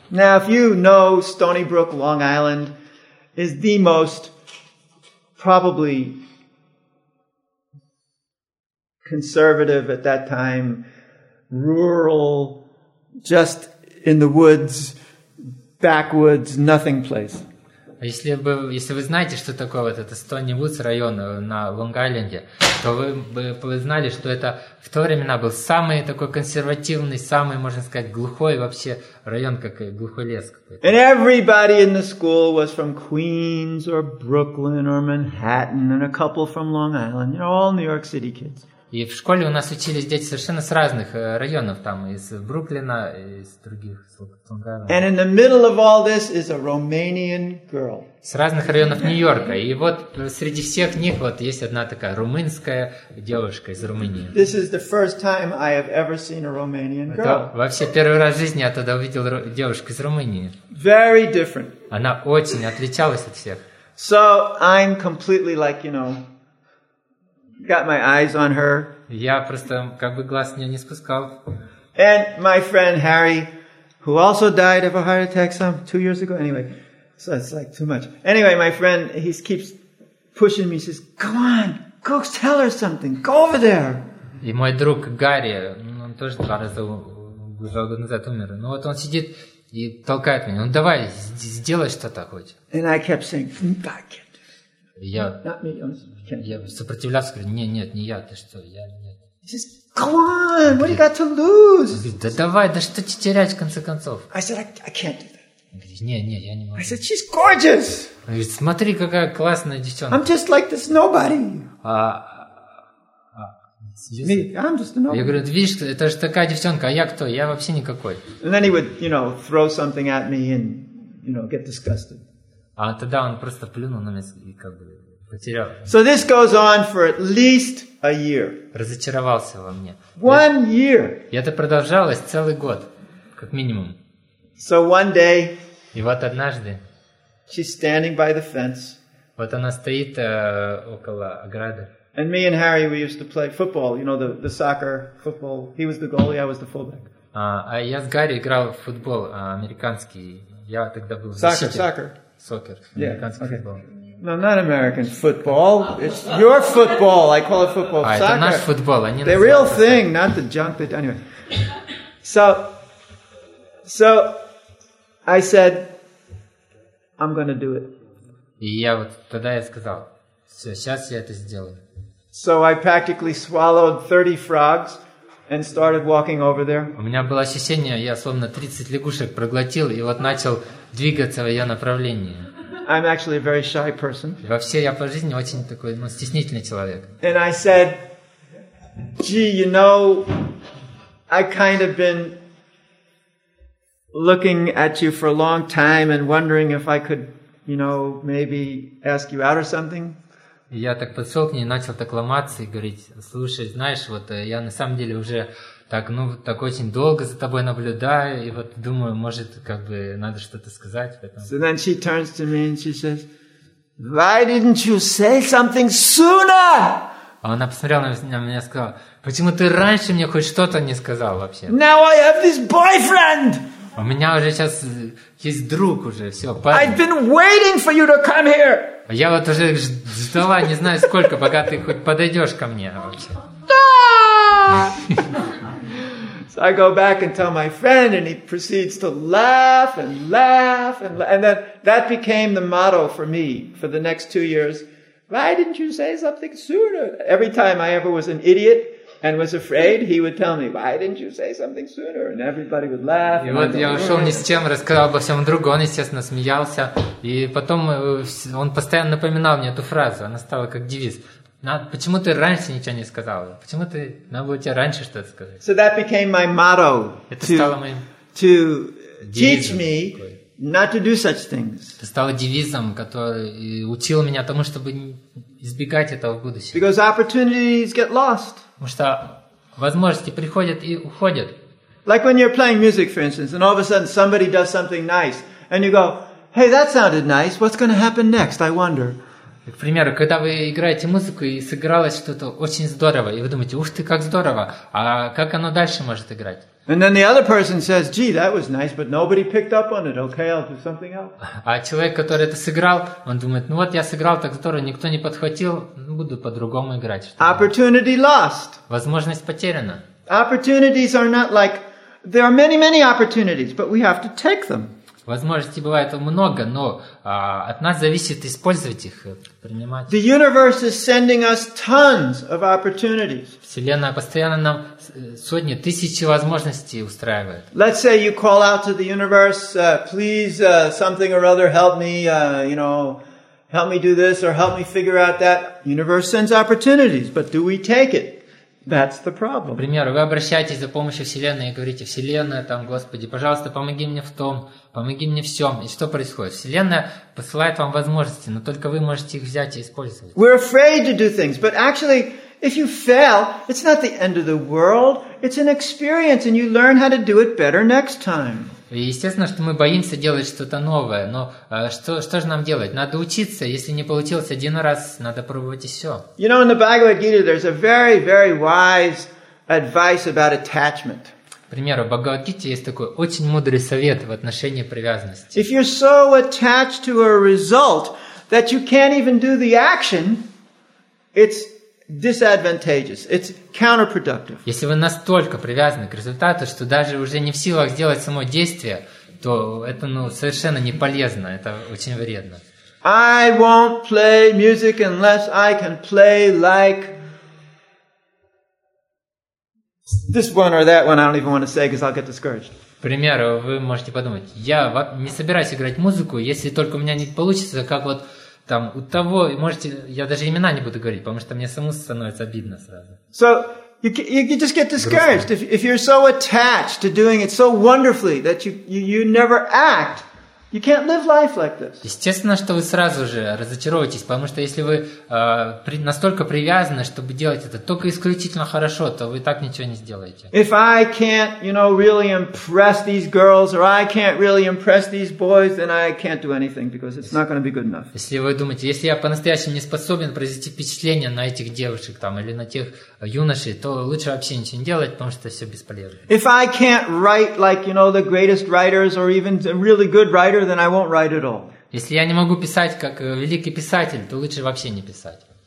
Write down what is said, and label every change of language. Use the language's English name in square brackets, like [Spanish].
[English] Now, if you know Stony Brook, Long Island is the most probably conservative at that time, rural, just in the woods, backwoods, nothing place. [Russian] Если вы знаете, что такое вот этот Stony Woods район на Лонг-Айленде, то вы знали, что это в то времена был самый такой консервативный, самый, можно сказать, глухой вообще район, как глухой лес какой-то. [English] And everybody in the school was from Queens or Brooklyn or Manhattan and a couple from Long Island. You know, all New York City kids. [Russian] И в школе у нас учились дети совершенно с разных районов, там из Бруклина, из других. [English] And in the middle of all this is a Romanian girl. [Russian] С разных районов Нью-Йорка. И вот среди всех них вот есть одна такая румынская девушка из Румынии. [English] This is the first time I have ever seen a Romanian girl. [Russian] Вообще первый раз в жизни я тогда увидел девушку из Румынии. [English] Very different. [Russian] Она очень отличалась от всех. [English] So I'm completely like, you know, got my eyes on her. [Russian] Я просто как бы глаз с неё не спускал. [English] And my friend Harry, who also died of a heart attack some 2 years ago. Anyway, so it's like too much. Anyway, my friend, he keeps pushing me. He says, "Come on, go tell her something. Go over there." [Russian] И мой друг Гарри, он тоже два раза уже год назад умер. Ну вот он сидит и толкает меня. Ну давай, сделай что-то хоть. [English] And I kept saying, "I can't." [Russian] Я сопротивлялся, говорю, нет, не я, ты что, я нет. [English] He says, come on, what do you got to lose? [Russian] Он говорит, да давай, да что тебе терять в конце концов? [English] I said, I can't do that. [Russian] Он говорит, нет, я не могу. [English] I said, she's gorgeous. [Russian] Он говорит, смотри, какая классная девчонка. [English] I'm just like this nobody. I'm just a nobody. [Russian] Я говорю, видишь, это же такая девчонка, а я кто? Я вообще никакой. [English] And then he would, you know, throw something at me and, you know, get disgusted. [Russian] А тогда он просто плюнул на меня и как бы потерял. [English] So this goes on for at least a year. [Russian] Разочаровался во мне. [English] One year. [Russian] И это продолжалось целый год, как минимум. [English] So one day. [Russian] И вот однажды. [English] She's standing by the fence. [Russian] Вот она стоит около ограды. [English] And me and Harry, we used to play football. You know, the soccer football. He was the goalie, I was the fullback. [Russian] А я с Гарри играл в футбол американский. Я тогда был в защите. [English] Soccer. Yeah. Okay. No, not American football. It's your football. I call it football. [Russian] А, Это наш футбол. Они [English] the real thing, not the junk. That, anyway. So I said, I'm going to do it. [Russian] И я вот тогда я сказал, все, сейчас я это сделаю. [English] So I practically swallowed 30 frogs and started walking over there. [Russian] У меня было ощущение, я словно 30 лягушек проглотил и вот начал двигаться в ее направлении. [English] I'm actually a very shy person. [Russian] Вообще, я по жизни очень такой, ну, стеснительный человек. [English] And I said, gee, you know, I kind of been looking at you for a long time and wondering if I could, you know, maybe ask you out or something. [Russian] И я так подсел к ней, начал так ломаться и говорить, слушай, знаешь, вот я на самом деле уже так, ну, так очень долго за тобой наблюдаю, и вот думаю, может, как бы надо что-то сказать. Поэтому... [English] So then she turns to me and she says, why didn't you say something sooner? [Russian] А она посмотрела на меня и сказала, почему ты раньше мне хоть что-то не сказал вообще? [English] Now I have this boyfriend! [Russian] У меня уже сейчас есть друг уже, все, парень. [English] I've been waiting for you to come here! [Russian] Я вот уже ждала, не знаю сколько, пока ты хоть подойдешь ко мне вообще. [English] So I go back and tell my friend, and he proceeds to laugh and laugh and laugh. And that became the motto for me for the next 2 years. Why didn't you say something sooner? Every time I ever was an idiot and was afraid, he would tell me, why didn't you say something sooner? And everybody would laugh. [Russian] И вот я ушел ни с чем, рассказал обо всем другу, он, естественно, смеялся. И потом он постоянно напоминал мне эту фразу, она стала как девиз. Почему ты раньше ничего не сказал? Почему ты надо было тебе раньше что-то сказать? [English] So that became my motto. [Russian] Это стало моим [English] to teach me not to do such things. [Russian] Это стало девизом, который учил меня тому, чтобы избегать этого в будущем. [English] Because opportunities get lost. [Russian] Потому что возможности приходят и уходят. [English] Like when you're playing music, for instance, and all of a sudden somebody does something nice, and you go, "Hey, that sounded nice. What's going to happen next? I wonder." [Russian] К примеру, когда вы играете музыку и сыгралось что-то очень здорово, и вы думаете, ух ты, как здорово, а как оно дальше может играть? [English] And then the other person says, "Gee, that was nice, but nobody picked up on it. Okay, I'll do something else." [Russian] А человек, который это сыграл, он думает, ну вот я сыграл так здорово, никто не подхватил, буду по-другому играть. Что-то. [English] Opportunity lost. [Russian] Возможность потеряна. [English] Opportunities are not like there are many, many opportunities, but we have to take them. [Russian] Возможностей бывает много, но от нас зависит использовать их, принимать. [English] The universe is sending us tons of opportunities. [Russian] Вселенная постоянно нам сотни, тысячи возможностей устраивает. [English] Let's say you call out to the universe, please, something or other, help me, you know, help me do this or help me figure out that. Universe sends opportunities, but do we take it? That's the problem. [Russian] К примеру, вы обращаетесь за помощью Вселенной и говорите, Вселенная, там, Господи, пожалуйста, помоги мне в том, помоги мне в сём. И что происходит? Вселенная посылает вам возможности, но только вы можете их взять и использовать. [English] We're afraid to do things, but actually, if you fail, it's not the end of the world. It's an experience, and you learn how to do it better next time. [Russian] Естественно, что мы боимся делать что-то новое, но что же нам делать? Надо учиться. Если не получилось один раз, надо пробовать еще. [English] You know, in the Bhagavad Gita, there's a very, very wise advice about attachment. [Russian] К примеру, в Бхагавад Гите есть такой очень мудрый совет в отношении привязанности. [English] If you're so attached to a result that you can't even do the action, it's disadvantageous. It's counterproductive. [Russian] Если вы настолько привязаны к результату, что даже уже не в силах сделать само действие, то это, ну, совершенно не полезно, это очень вредно. [English] I won't play music unless I can play like this one or that one. I don't even want to say because I'll get discouraged. [Russian] К примеру, вы можете подумать, я не собираюсь играть музыку, если только у меня не получится, как вот там у того, можете, я даже имена не буду говорить, потому что мне саму становится обидно сразу. [English] So you just get discouraged if you're so attached to doing it so wonderfully that you never act. You can't live life like this. [Russian] Естественно, что вы сразу же разочаруетесь, потому что если вы настолько привязаны, чтобы делать это только исключительно хорошо, то вы так ничего не сделаете. [English] If I can't, you know, really impress these girls, or I can't really impress these boys, then I can't do anything because it's not going to be good enough. [Russian] Если вы думаете, если я по-настоящему не способен произвести впечатление на этих девушек там или на тех юношей, то лучше вообще ничего не делать, потому что все бесполезно. [English] If I can't write like, you know, the greatest writers or even really good writers, then I won't write at all. [Russian] Если я не могу писать как великий писатель, то лучше вообще не писать.